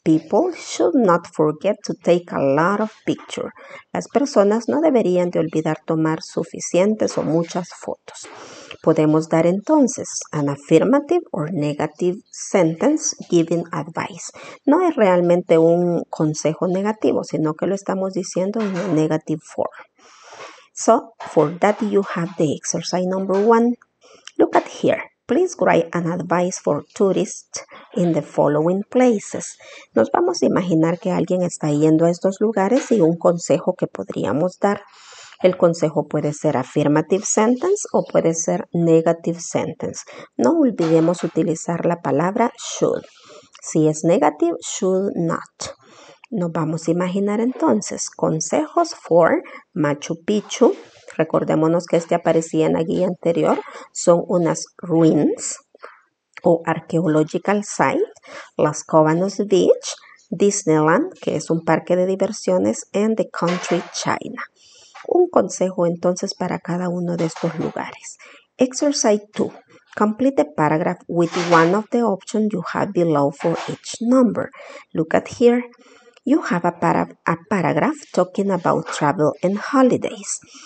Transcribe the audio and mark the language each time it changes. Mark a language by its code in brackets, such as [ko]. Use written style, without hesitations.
[en] People should not forget to take a lot of pictures. [es] Las personas no deberían de olvidar tomar suficientes o muchas fotos. Podemos dar entonces [en] an affirmative or negative sentence giving advice. [es] No es realmente un consejo negativo, sino que lo estamos diciendo en un [en] negative form. So, for that you have the exercise number 1. Look at here. Please write an advice for tourists in the following places. [es] Nos vamos a imaginar que alguien está yendo a estos lugares y un consejo que podríamos dar. El consejo puede ser [en] affirmative sentence [es] o puede ser [en] negative sentence. [es] No olvidemos utilizar la palabra should. Si es negative, should not. Nos vamos a imaginar entonces consejos for Machu Picchu. Recordémonos que este aparecía en la guía anterior. Son unas ruins o [en] archaeological site, [es] Las Cabanas Beach, Disneyland, que es un parque de diversiones, [en] and the country China. [es] Un consejo entonces para cada uno de estos lugares. [en] Exercise 2. Complete the paragraph with one of the options you have below for each number. Look at here. You have a paragraph talking about travel and holidays.